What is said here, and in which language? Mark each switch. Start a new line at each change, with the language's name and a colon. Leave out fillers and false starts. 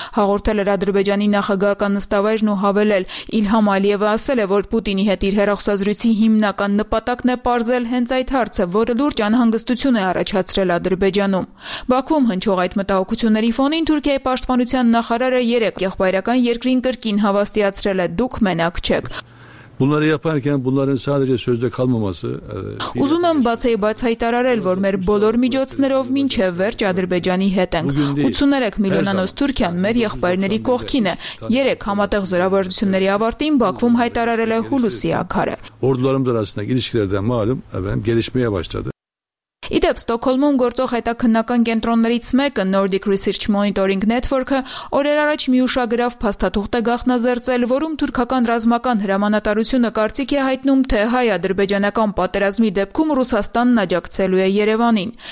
Armenian: Հաղորդել էր Ադրբեջանի նախագահական նստավայրն ու հավելել՝ Իլհամ Ալիևը ասել է, որ Պուտինի հետ իր հեռախոսազրույցի հիմնական նպատակն է պարզել հենց այդ հարցը, որը լուրջ անհանգստություն է առաջացրել Ադրբեջանում։ Բաքվում հնչող այդ մտահոգությունների ֆոնին Թուրքիայի պաշտպանության նախարարը երեք եղբայրական երկրին կրկին հավաստիացրել է՝ «Դուք մենակ չեք»։
Turkish: Bunları yaparken bunların sadece sözde kalmaması
Armenian: Ուզում եմ բացի հայտարարել, որ մեր բոլոր միջոցներով մինչև վերջ Ադրբեջանի հետ ենք։ 83 միլիոնանոց Թուրքիան մեր եղբայրների կողքին է։ Երեք համատեղ զորավարությունների ավարտին Բաքվում հայտարարել է Հուլուսի Աքարը։
Turkish: Ordularımız arasındaki ilişkilerden malum efendim gelişmeye başladı.
Armenian: Ի դեպ, Ստոկհոլմում գործող հետաքննական կենտրոններից մեկը, Nordic Research Monitoring Network-ը, օրեր առաջ մի ուշագրավ փաստաթուղթ է գաղտնազերծել, որում թուրքական ռազմական հրամանատարությունը կարծիքի է հայտնում, թե հայ-ադրբեջանական պատերազմի դեպքում Ռուսաստանն աջակցելու է Երևանին։